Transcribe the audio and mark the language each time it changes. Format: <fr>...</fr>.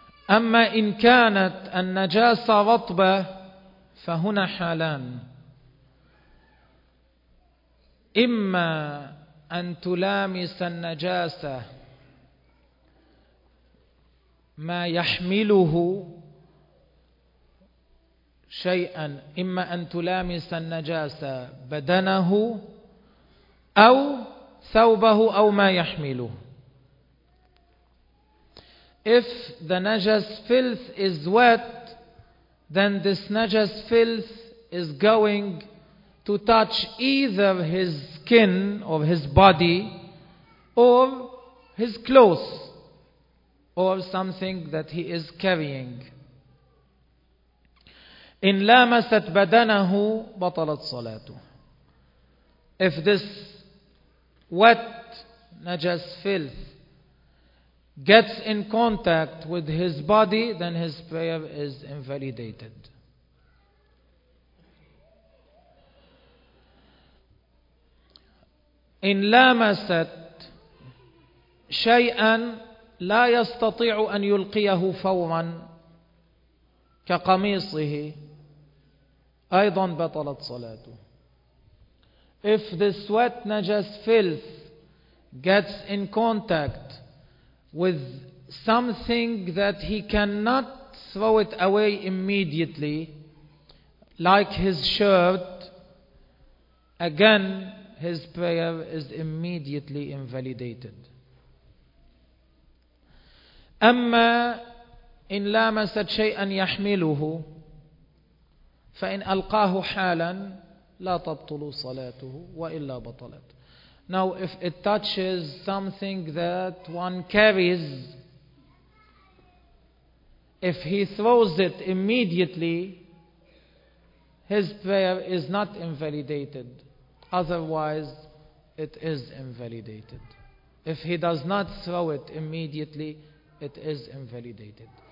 <ar>أما إن كانت النجاسة رطبة فهنا حالان، إما أن تلامس النجاسة ما يحمله شيئا، إما أن تلامس النجاسة بدنه أو ثوبه أو ما يحمله.</ar> <en>If the najas filth is wet, then this najas filth is going to touch either his skin or his body or his clothes or something that he is carrying.</en> <ar>إن لامست بدنه بطلت صلاته.</ar> <en>If this wet najas filth gets in contact with his body, then his prayer is invalidated.</en> <ar>إن لامست شيئا لا يستطيع أن يلقيه فورا كقميصه أيضا بطلت صلاته.</ar> <en>If this wet najas filth gets in contact with something that he cannot throw it away immediately, like his shirt, again his prayer is immediately invalidated.</en> <ar>أما إن لامست شيئا يحمله فإن ألقاه حالا لا تبطل صلاته وإلا بطلت.</ar> <en>Now, if it touches something that one carries, if he throws it immediately, his prayer is not invalidated. Otherwise, it is invalidated. If he does not throw it immediately, it is invalidated.</en>